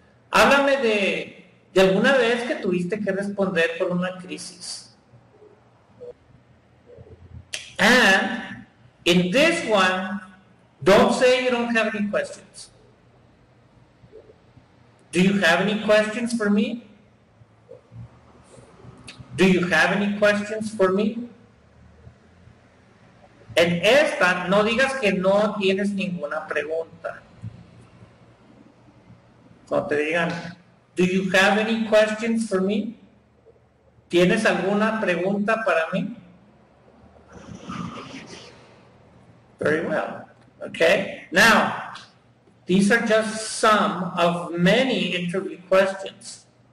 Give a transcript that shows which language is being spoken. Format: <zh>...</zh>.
<es>Háblame de alguna vez que tuviste que responder por una crisis.</es> <en>And in this one, don't say you don't have any questions. Do you have any questions for me? Do you have any questions for me?</en> <es>En esta, no digas que no tienes ninguna pregunta. No te digan,</es> <en>do you have any questions for me?</en> <es>¿Tienes alguna pregunta para mí?</es> <en>Very well. Okay, now, these are just some of many interview questions.</en>